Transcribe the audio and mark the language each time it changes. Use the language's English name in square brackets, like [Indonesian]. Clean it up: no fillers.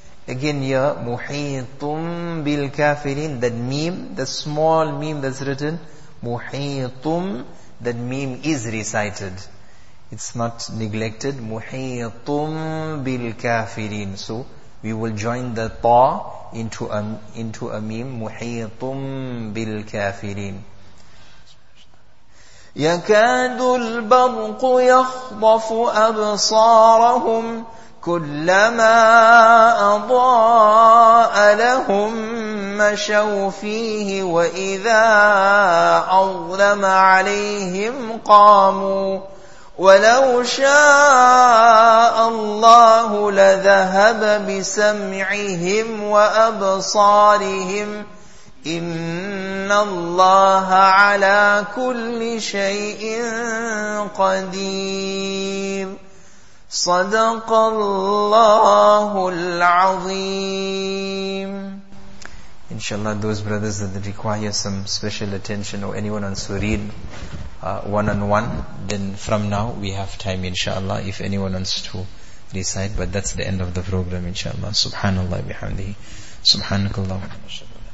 [English] Again here, [Arabic] محيط بالكافرين, [English] that meme, the small meme that's written, محيط, that meme is recited. It's not neglected. [Arabic] Muhitum bil kafirin. [English] So we will join the ta into a meme. [Arabic] Muhitum bil kafirin. Yakadu al-barq yakhdafu absarahum kullama adaa'a lahum mashaw fihi wa idha awlama 'alayhim qamu وَلَوْ شَاءَ اللَّهُ لَذَهَبَ بِسَمْعِهِمْ وَأَبْصَارِهِمْ إِنَّ اللَّهَ عَلَى كُلِّ شَيْءٍ قَدِيرٌ صَدَقَ اللَّهُ الْعَظِيمُ. [English] Inshallah, those brothers that require some special attention or anyone on Sureen, one-on-one, then from now we have time inshallah if anyone wants to recite, but that's the end of the program inshallah. [Arabic] Subhanallah bihamdihi. [English] Subhanakallah.